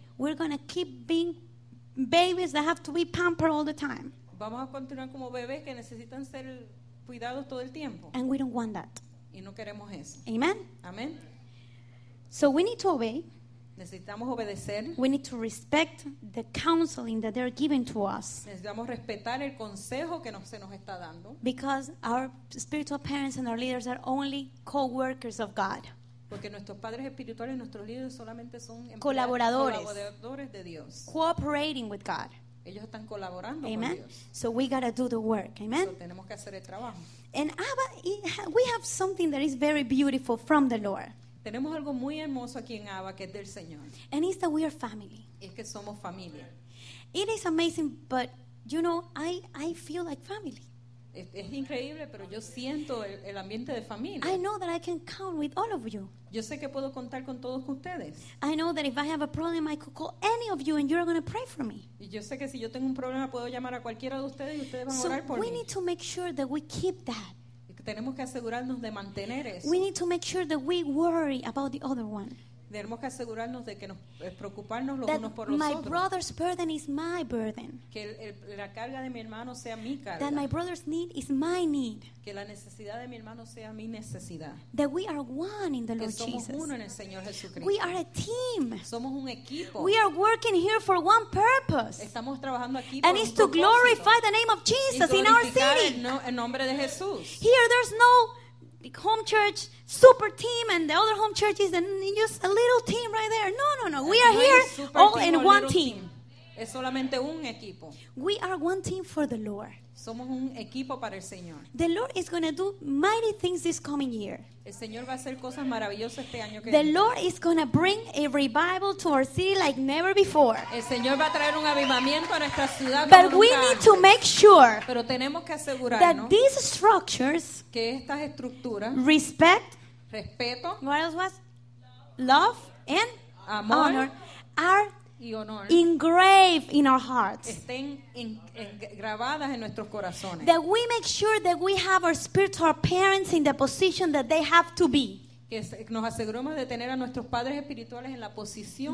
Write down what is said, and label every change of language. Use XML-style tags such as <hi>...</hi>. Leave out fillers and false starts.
<en>We're going to keep being babies that have to be pampered all the time.</en> <es>Vamos a continuar como bebés que necesitan ser cuidados todo el tiempo.</es> <en>And we don't want that.</en> <es>Y no queremos eso.</es> <en>Amen.</en> <es>Amen.</es> <en>So we need to obey.</en> <es>Necesitamos obedecer.</es> <en>We need to respect the counseling that they're giving to us.</en> <es>Necesitamos respetar el consejo que se nos está dando.</es> <en>Because our spiritual parents and our leaders are only co-workers of God.</en> <es>Porque nuestros padres espirituales, nuestros líderes solamente son colaboradores, colaboradores de Dios.</es> <en>Cooperating with God.</en> <es>Ellos están colaborando. Amen. Con Dios.</es> <en>So we gotta do the work. Amen.</en> <es>So tenemos que hacer el trabajo.</es> <en>And Abba, we have something that is very beautiful from the Lord.</en> <es>Tenemos algo muy hermoso aquí en Abba que es del Señor.</es> <en>And it's that we are family.</en> <es>Es que somos familia.</es> <en>It is amazing, but you know, I feel like family.</en> <es>Es increíble, pero yo siento el ambiente de familia.</es> <en>I know that I can count with all of you.</en> <es>Yo sé que puedo contar con todos ustedes.</es> <en>I know that if I have a problem, I could call any of you, and you're going to pray for me.</en> <es>Y yo sé que si yo tengo un problema, puedo llamar a cualquiera de ustedes y ustedes van a</es> <en>so</en> <es>orar por mí.</es> <en>So we need to make sure that we keep that.</en> <es>Y tenemos que asegurarnos de mantener eso.</es> <en>We need to make sure that we worry about the other one.</en> <es>Tenemos que asegurarnos de que nos preocuparnos los</es> <en>that</en> <es>unos por los</es> <en>my</en> <es>otros.</es> <en>Brother's burden is my burden.</en> <es>Que la carga de mi hermano sea mi carga.</es> <en>That my brother's need is my need.</en> <es>Que la necesidad de mi hermano sea mi necesidad.</es> <en>That we are one in the Lord Jesus.</en> <es>Que somos uno en el Señor Jesucristo.</es> <en>We are a team.</en> <es>Somos un equipo.</es> <en>We are working here for one purpose.</en> <es>Estamos trabajando aquí</es> <en>and and it's to glorify the name of Jesus in our city.</en> <es>Y glorificar el nombre de Jesús.</es> <en>Here there's no home church super team and the other home church is just a little team right there. No, we are here all in one team.</en> <es>Es solamente un equipo.</es> <en>We are one team for the Lord.</en> <es>Somos un equipo para el Señor.</es> <en>The Lord is going to do mighty things this coming year.</en> <es>El Señor va a hacer cosas maravillosas este año que</es> <en>the</en> <es>viene.</es> <en>Lord is going to bring a revival to our city like never before.</en> <es>El Señor va a traer un avivamiento a nuestra ciudad.</es> <en>But we need to make sure</en> <es>pero tenemos que asegurarnos</es> <en>that these structures</en> <es>que estas estructuras</es> <en>respect</en> <es>respeto</es> <en>what else was? Love and</en> <es>amor</es> <en>honor are</en> <es>y honor</es> <en>engraved in our hearts.</en> <es>Estén grabadas en nuestros corazones.</es> <en>That we make sure that we have our spiritual parents in the position that they have to be.</en> <es>Que nos aseguremos de tener a nuestros padres espirituales en la posición</es>